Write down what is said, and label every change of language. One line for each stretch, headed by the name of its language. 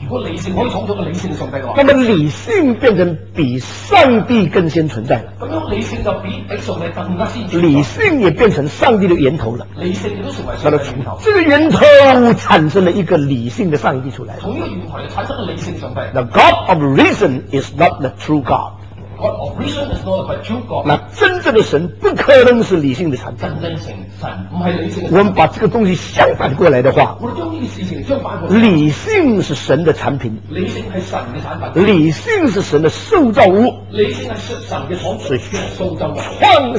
Chinese: 如果理性可以创造一个理性的上帝的话，那么理性变成比上帝更先存在了。那么理性就比上帝更加先存在，理性也变成上帝的源头了。理性都成为上帝的源头，这个源头产生了一个理性的上帝出来，从一个源头产生了理性上帝。
English: The God of reason is not the true GodGod of reason is not a true God.
Chinese: 那真正的神不可能是理性的产品。真正神神不是理性的。我们把这个东西相反过来的话，我将这个事情相反过来，理性是神的产品，理性是神的产品，理性是神的受造物，理性是神的创造，是受造物。